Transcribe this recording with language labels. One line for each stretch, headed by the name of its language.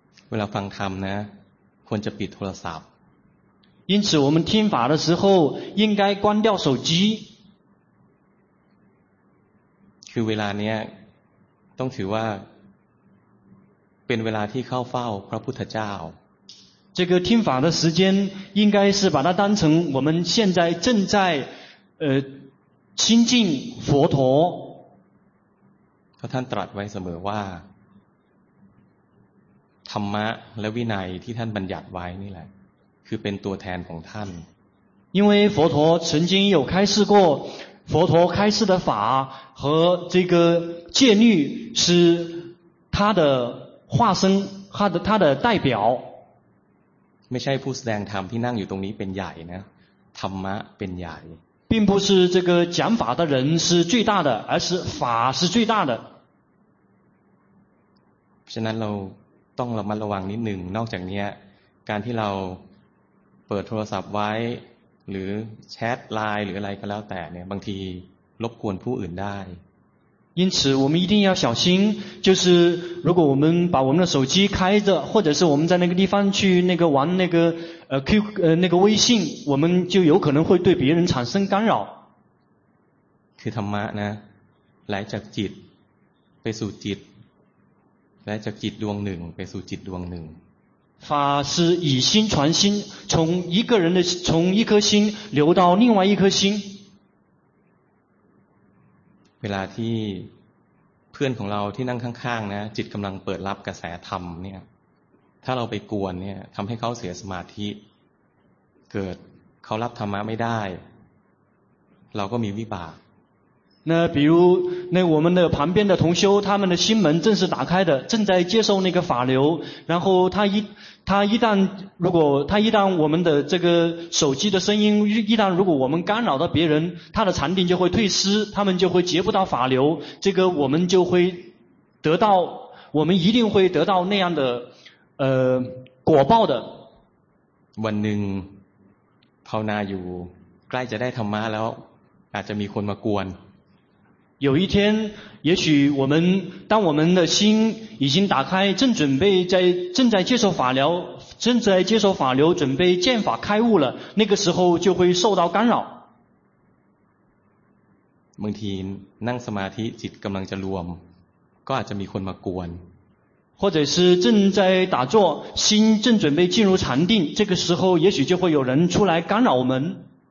Thai: เวลาฟังธรรมนะควรจะปิดโทรศัพท์
Chinese: 因此我们听法的时候应该关掉手机
Thai: คือเวลานี้ต้องถือว่าเป็นเวลาที่เข้าเฝ้าพระพุทธเจ้า
Chinese: 这个听法的时间应该是把它当成我们现在正在亲近佛陀
Thai: เพราะท่านตรัสไว้เสมอว่าธรรมะและวินัยที่ท่านบัญญัติไว้นี่แหละคือเป็นตัวแทนของท่าน
Chinese: 因为佛陀曾经有开示过佛陀开示的法和这个戒律是他的化身他的代表
Thai: ไม่ใช่ผู้แสดงธรรมที่นั่งอยู่ตรงนี้เป็นใหญ่นะธรรมะเป็นใหญ่
Chinese: 并不是这个讲法的人是最大的，而是法是最大的。
Thai: ฉะนั้นเราต้องระมัดระวังนิดหนึ่งนอกจากนี้การที่เราเปิดโทรศัพท์ไว้หรือแชทไลน์หรืออะไรก็แล้วแต่เนี่ยบางทีรบกวนผู้อื่นได้
Chinese: 因此我们一定要小心，就是如果我们把我们的手机开着，或者是我们在那个地方去那个玩那个那个微信，我们就有可能会对别人产生干扰。
Thai: คือธรรมะนะ来จากจิตไปสู่จิต来จากจิตดวงหนึ่งไปสู่จิตดวงหนึ่ง
Chinese: 法是以心传心，从一个人的从一颗心流到另外一颗心。
Thai: เวลาที่เพื่อนของเราที่นั่งข้างๆนะจิตกำลังเปิดรับกระแสธรรมเนี่ยถ้าเราไปกวนเนี่ยทำให้เขาเสียสมาธิเกิดเขารับธรรมะไม่ได้เราก็มีวิบาก
Chinese: 那比如那我们的旁边的同修他们的心门正是打开的正在接受那个法流然后他一旦我们的这个手机的声音一旦如果我们干扰到别人他的禅定就会退失他们就会接不到法流这个我们就会得到我们一定会得到那样的果报的
Thai: วันหนึ่งภาวนาอยู่ใกล้จะได้ธรรมะแล้วอาจจะมีคนมากวน
Chinese: 有一天也许我们当我们的心已经打开正准备在正在接受法疗正在接受法疗准备见法开悟了那个时候就会受到干扰
Thai: บางทีนั่งสมาธิจิตกำลังจะรวมก็อาจจะมีคนมากวน
Chinese: 或者是正在打坐心正准备进入禅定这个时候也许就会有人出来干扰我们